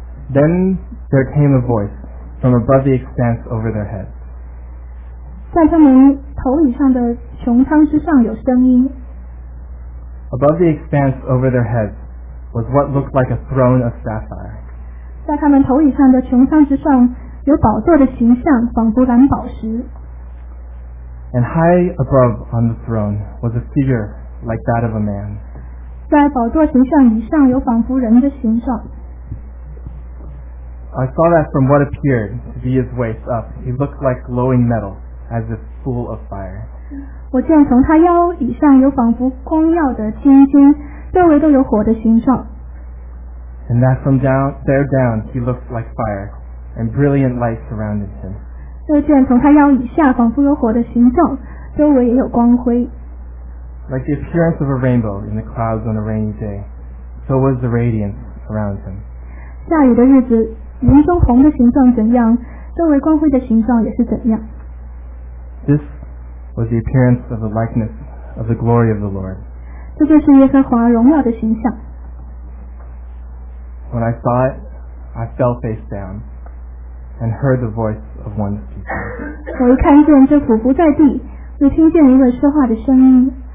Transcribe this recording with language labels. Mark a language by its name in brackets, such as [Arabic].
[English] Then there came a voice from above the expanse over their head. [Chinese] 在他们头以上的穹苍之上有声音。 [English] Above the expanse over their heads was what looked like a throne of sapphire. [Chinese] 在他们头以上的穹苍之上有宝座的形象，仿佛蓝宝石。 [English] And high above on the throne was a figure like that of a man. [Chinese] 在宝座形象以上有仿佛人的形状。 [English] I saw that from what appeared to be his waist up, he looked like glowing metal, as if full of fire. [Chinese] 我见从他腰以上有仿佛光耀的青筋，周围都有火的形状。 [English] And that from down, there down, he looked like fire, and brilliant light surrounded him. [Chinese] 又见从他腰以下仿佛有火的形状，周围也有光辉。 [English] Like the appearance of a rainbow in the clouds on a rainy day, so was the radiance around him. [Chinese] 下雨的日子云中红的形状怎样，周围光辉的形状也是怎样。 [English] This was the appearance of the likeness of the glory of the Lord. [Chinese] 这就是耶和华荣耀的形象。 [English] When I saw it, I fell face down and heard the voice of one speaking. [Chinese] 我一看见就俯伏在地，就听见一位说话的声音。